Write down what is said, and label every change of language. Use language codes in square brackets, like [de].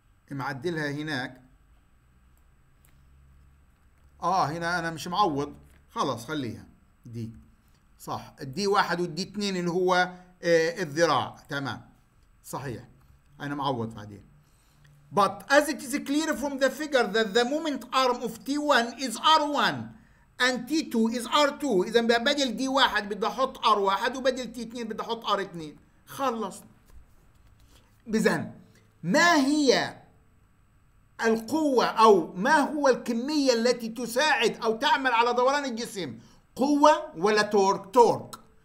[ar] معدلها هناك. هنا انا مش معوض. خلاص خليها دي. صح الدي واحد والدي اثنين اللي هو الذراع. تمام صحيح انا معوض بعدين. [en] But as it is clear from the figure that the moment arm of T1 is R1 and T2 is R2. [ar] اذا بدل دي واحد بدي احط R1 وبدل T2 بدي احط R2. خلص. بذن ما هي القوة أو ما هو الكمية التي تساعد أو تعمل على دوران الجسم؟ قوة ولا تورك؟ تورك.